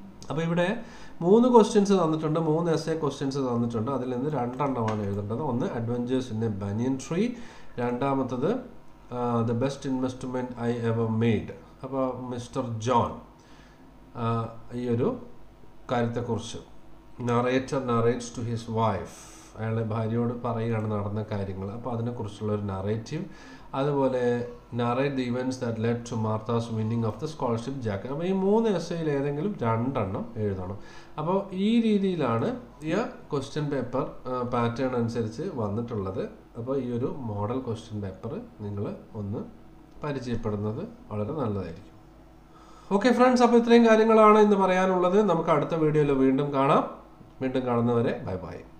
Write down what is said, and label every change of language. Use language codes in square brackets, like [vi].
[ml] അപ്പോൾ ഇവിടെ 3 ക്വസ്റ്റ്യൻസ് തന്നിട്ടുണ്ട്, 3 SA questions തന്നിട്ടുണ്ട്. അതിൽ നിന്ന് 2 എണ്ണമാണ് എഴുതേണ്ടത്. ഒന്ന് adventures in A banian tree, രണ്ടാമത്തത് the best investment I ever made. അപ്പോൾ മിസ്റ്റർ ജോൺ ഈ ഒരു കാര്യത്തെക്കുറിച്ച് [en] Narrator narrates to his wife. [ml] അയാളെ ഭാര്യയോട് പറയുകയാണ് നടന്ന കാര്യങ്ങൾ. അപ്പോൾ അതിനെക്കുറിച്ചുള്ള ഒരു നറേറ്റീവ്. [en] അതുപോലെ narrate the events that led to Martha's winning of the scholarship jacket. [ml] അപ്പോൾ ഈ മൂന്ന് എസ്സേയിൽ ഏതെങ്കിലും രണ്ടെണ്ണം എഴുതണം. അപ്പോൾ ഈ രീതിയിലാണ് ഈ ക്വസ്റ്റ്യൻ പേപ്പർ പാറ്റേൺ അനുസരിച്ച് വന്നിട്ടുള്ളത്. അപ്പോൾ ഈ ഒരു മോഡൽ ക്വസ്റ്റ്യൻ പേപ്പർ നിങ്ങൾ ഒന്ന് പരിചയപ്പെടുന്നത് വളരെ നല്ലതായിരിക്കും. ഓക്കെ ഫ്രണ്ട്സ്, അപ്പോൾ ഇത്രയും കാര്യങ്ങളാണ് ഇന്ന് പറയാനുള്ളത്. നമുക്ക് അടുത്ത വീഡിയോയിൽ വീണ്ടും കാണാം. വീണ്ടും കാണുന്നവരെ ബൈ ബൈ.